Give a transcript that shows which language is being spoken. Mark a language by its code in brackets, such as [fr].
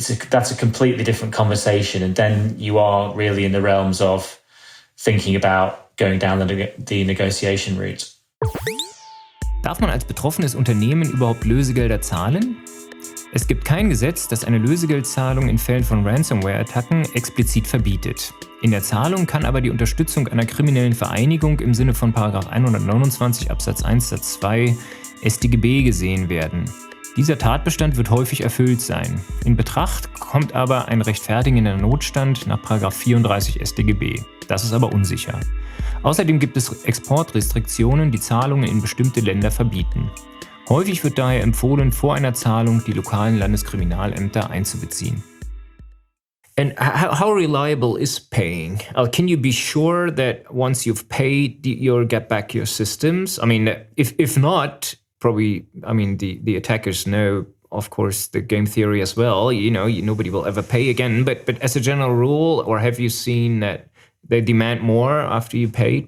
[en] That's a completely different conversation. And then you are really in the realms of thinking about going down the negotiation route. [de] Darf man als betroffenes Unternehmen überhaupt Lösegelder zahlen? Es gibt kein Gesetz, das eine Lösegeldzahlung in Fällen von Ransomware-Attacken explizit verbietet. In der Zahlung kann aber die Unterstützung einer kriminellen Vereinigung im Sinne von § 129 Absatz 1 Satz 2 StGB gesehen werden. Dieser Tatbestand wird häufig erfüllt sein. In Betracht kommt aber ein rechtfertigender Notstand nach § 34 StGB. Das ist aber unsicher. Außerdem gibt es Exportrestriktionen, die Zahlungen in bestimmte Länder verbieten. Häufig wird daher empfohlen, vor einer Zahlung die lokalen Landeskriminalämter einzubeziehen. [en] And how reliable is paying? Can you be sure that once you've paid, you'll get back your systems? I mean, if not, probably, I mean, the attackers know, of course, the game theory as well. You know, nobody will ever pay again. But as a general rule, or have you seen that they demand more after you paid?